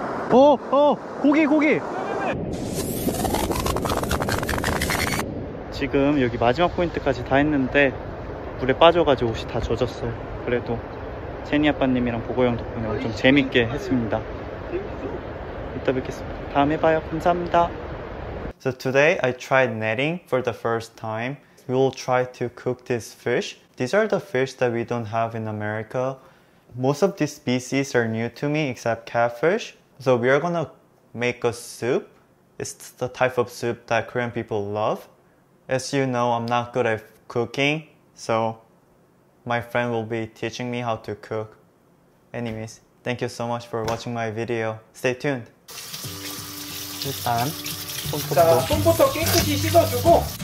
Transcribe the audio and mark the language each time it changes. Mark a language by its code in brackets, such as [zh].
[ko] 고기 지금 여기 마지막 포인트까지 다 했는데 물에 빠져가지고 옷이 다 젖었어요. 그래도 제니 아빠님이랑 보고형 덕분에 좀 재밌게 했습니다. 이따 뵙겠습니다. 다음에 봐요. 감사합니다. [en] So today I tried netting for the first time. We will try to cook this fish. These are the fish that we don't have in America. Most of these species are new to me except catfish. So we are gonna make a soup. It's the type of soup that Korean people love. As you know, I'm not good at cooking. So my friend will be teaching me how to cook. Anyways, thank you so much for watching my video. Stay tuned. [ko] 일단 손부터 깨끗이 씻어주고